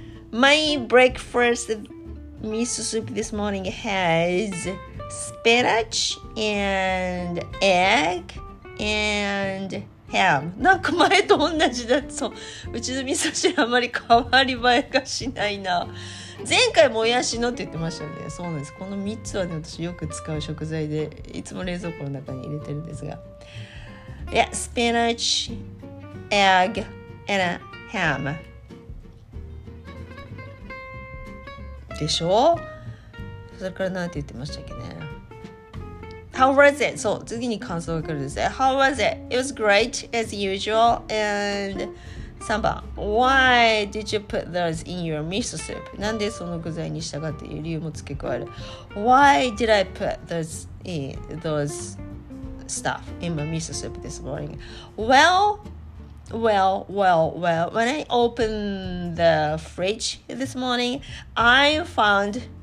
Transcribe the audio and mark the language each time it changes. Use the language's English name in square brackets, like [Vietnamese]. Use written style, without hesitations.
[English] My breakfast miso soup this morning has spinach and eggAnd ham. [Japanese] なんか前と同じだ。そう、うちの味噌汁あまり変わり映えがしないな。前回もやしのって言ってましたよね。そうなんです。この3つはね、私よく使う食材で、いつも冷蔵庫の中に入れてるんですが。 [English] Yeah, spinach, egg, and a ham. [Japanese] でしょ？それからなんて言ってましたっけね。 [English] How was it? [Japanese] そう、次に感想が来るんですね。 [English] How was it? It was great as usual. And 3番、Why did you put those in your miso soup? [Japanese] なんでその具材にしたかっていう理由も付け加える。 [English] Why did I put those stuff in my miso soup this morning? Well, when I opened the fridge this morning, I found